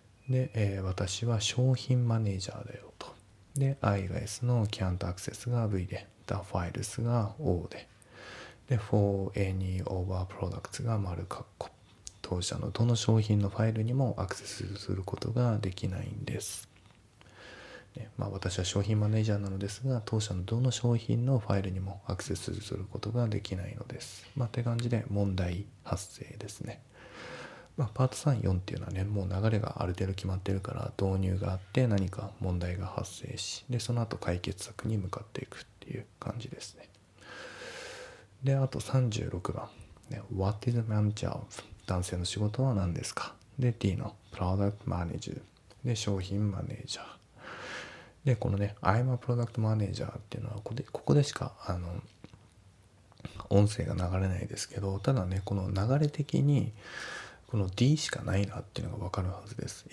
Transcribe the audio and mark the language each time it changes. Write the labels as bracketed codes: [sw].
[ja] で、私は商品マネージャーだよとで I が S の can't access が V で [en] the files [ja] が O でで [en] for any of our products [ja] が丸括弧当社のどの商品のファイルにもアクセスすることができないんです、ね、まあ私は商品マネージャーなのですが当社のどの商品のファイルにもアクセスすることができないのですまあって感じで問題発生ですね。まあ、パート3、4っていうのはねもう流れがある程度決まってるから導入があって何か問題が発生しでその後解決策に向かっていくっていう感じですね。であと36番、ね、 [en] What is a man's job? [ja] 男性の仕事は何ですか。で D の Product Manager で商品マネージャーでこのね [en] I'm a product manager [ja] っていうのはここでしかあの音声が流れないですけどただねこの流れ的にこの D しかないなっていうのが分かるはずです。